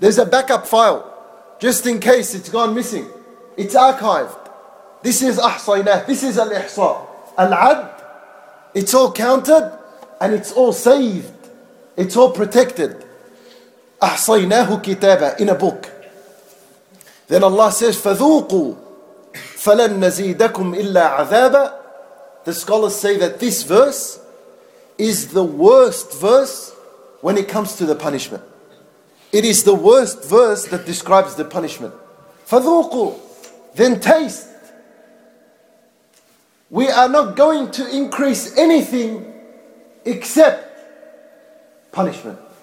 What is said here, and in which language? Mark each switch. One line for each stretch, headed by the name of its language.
English: There's a backup file, just in case it's gone missing. It's archived. This is أحصيناه. This is الإحصاء. العد, it's all counted and it's all saved. It's all protected. أحصيناه كتابا, in a book.
Arabic: Then Allah says, فَذُوقُوا فَلَن نَزِيدَكُمْ إِلَّا عَذَابًا.
English: The scholars say that this verse is the worst verse when it comes to the punishment. It is the worst verse that describes the punishment. فَذُوقُوا, then taste. We are not going to increase anything except punishment.